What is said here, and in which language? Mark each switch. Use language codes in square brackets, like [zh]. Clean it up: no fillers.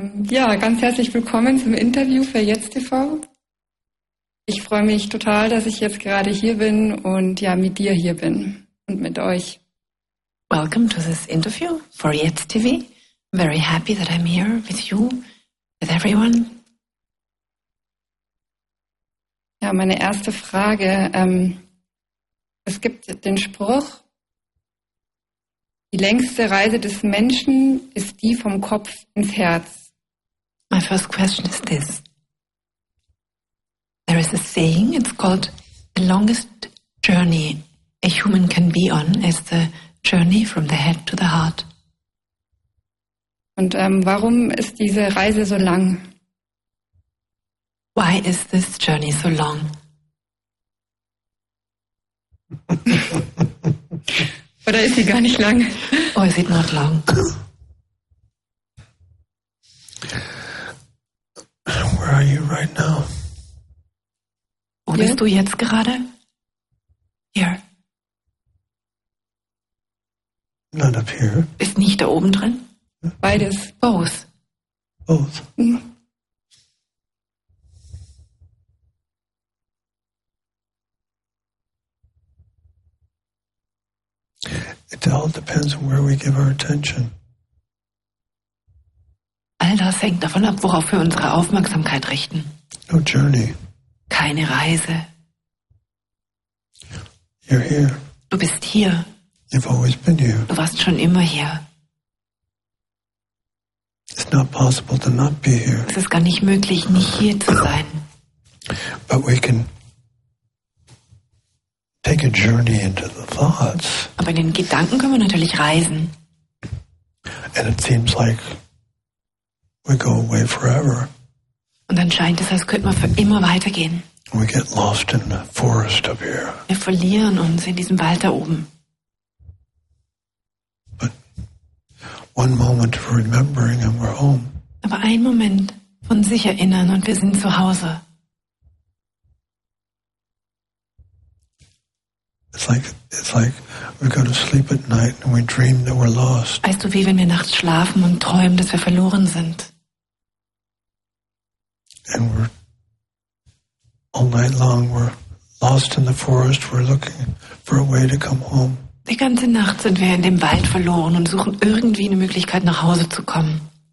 [de] Ja, ganz herzlich willkommen zum Interview für Jetzt TV. Ich freue mich total, dass ich jetzt gerade hier bin und ja, mit dir hier bin und mit euch. [en] Welcome to this interview for Jetzt TV. I'm very happy that I'm here with you, with everyone. [de] Ja, meine erste Frage. Es gibt den Spruch, die längste Reise des Menschen ist die vom Kopf ins Herz. [en] My first question is this. There is a saying, it's called the longest journey a human can be on is the journey from the head to the heart. [de] Und warum ist diese Reise so lang? [en] Why is this journey so long? [de] Oder ist sie gar nicht lang? [en] Or is it not long? Where are you right now? [de] Wo bist du jetzt gerade? [en] Here. Not up here. [de] Ist nicht da oben drin? Beides. [en] Both. Both. It all depends on where we give our attention. [de] All das hängt davon ab, worauf wir unsere Aufmerksamkeit richten. [en] No journey. [de] Keine Reise. [en] You're here. [de] Du bist hier. [en] You've always been here. [de] Du warst schon immer hier. [en] It's not possible to not be here. [de] Es ist gar nicht möglich, nicht hier zu sein. [en] But we can take a journey into the thoughts. [de] Aber in den Gedanken können wir natürlich reisen. [en] And it seems like we go away forever. [de] Und dann scheint es, als könnten wir für immer weitergehen. [en] We get lost in the forest up here. [de] Wir verlieren uns in diesem Wald da oben. [en] But one moment of remembering and we're home. [de] Aber ein Moment von sich erinnern und wir sind zu Hause. [en] It's like we go to sleep at night and we dream that we're lost. [de] Weißt du, wie wenn wir nachts schlafen und träumen, dass wir verloren sind. [en] And we're all night long we're lost in the forest. We're looking for a way to come home. [de] Die ganze Nacht sind wir in dem Wald verloren und suchen irgendwie eine Möglichkeit nach Hause zu kommen.